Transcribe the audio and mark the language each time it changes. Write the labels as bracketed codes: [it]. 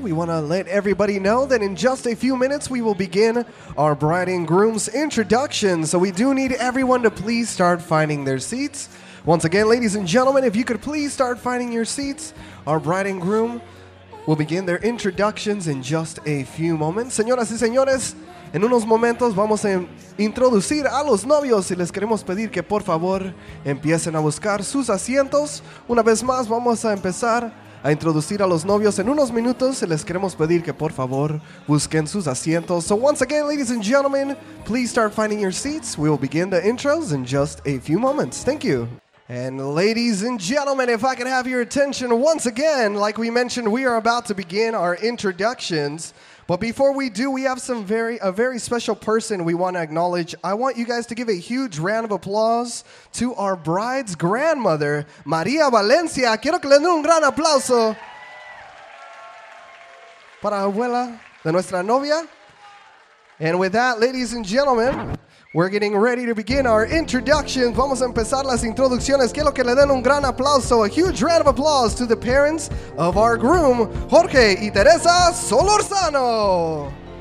[en] We want to let everybody know that in just a few minutes, we will begin our bride and groom's introduction. So we do need everyone to please start finding their seats. Once again, ladies and gentlemen, if you could please start finding your seats, our bride and groom will begin their introductions in just a few moments. [es] Señoras y señores, en unos momentos vamos a introducir a los novios y les queremos pedir que por favor empiecen a buscar sus asientos. Una vez más vamos a empezar a introducir a los novios en unos minutos y les queremos pedir que por favor busquen sus asientos. [en] So once again, ladies and gentlemen, please start finding your seats. We will begin the intros in just a few moments. Thank you. And ladies and gentlemen, if I could have your attention once again, like we mentioned, we are about to begin our introductions. But before we do, we have a very special person we want to acknowledge. I want you guys to give a huge round of applause to our bride's grandmother, Maria Valencia. [es] Quiero que le den un gran aplauso para abuela de nuestra novia. [en] And with that, ladies and gentlemen, we're getting ready to begin our introductions. [es] Vamos a empezar las introducciones. Quiero que le den un gran aplauso, [en] a huge round of applause to the parents of our groom, [es] Jorge y Teresa Solorzano.